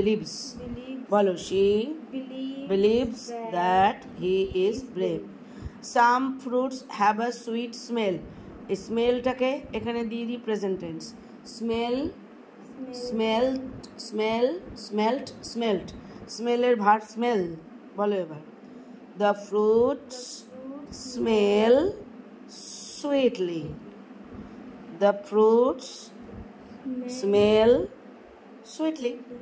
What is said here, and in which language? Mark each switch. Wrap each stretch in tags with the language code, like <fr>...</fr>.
<en>Believes, বলো she believes that he is brave. Some fruits have a sweet smell.</en> <bn>স্মেলটাকে এখানে দিয়ে দিই present tense. Smell, smell, smell, স্মেলট, স্মেলট, স্মেলের verb smell, বলো এবার.</bn> <en>The fruits smell sweetly, the fruits smell sweetly.</en>